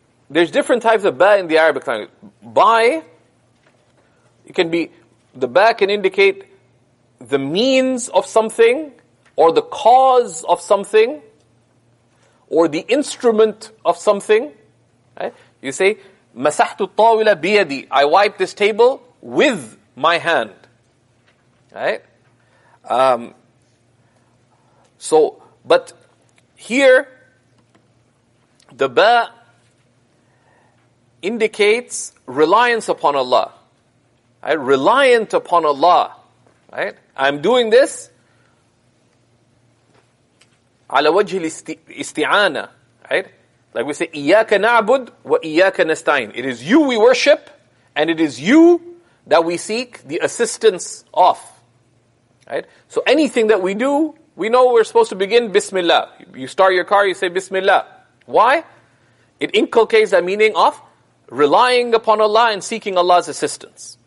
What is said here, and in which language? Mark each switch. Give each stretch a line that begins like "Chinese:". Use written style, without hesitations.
English: There's different types of ba in the Arabic language. By... It can be... The ba can indicate the means of something, or the cause of something, or the instrument of something. Right? You say,
Arabic: مَسَحْتُ الطَّاوِلَ بِيَدِي.
English: I wipe this table with my hand. Right? But here, the ba indicates reliance upon Allah. Right? Reliant upon Allah. Right? I'm doing this
Arabic: على وجه الاستعانة,
English: right? Like we say,
Arabic: إياك نعبد وإياك نستعين.
English: It is you we worship, and it is you that we seek the assistance of. Right? So anything that we do, we know we're supposed to begin Bismillah. You start your car, you say Bismillah. Why? It inculcates that meaning of relying upon Allah and seeking Allah's assistance.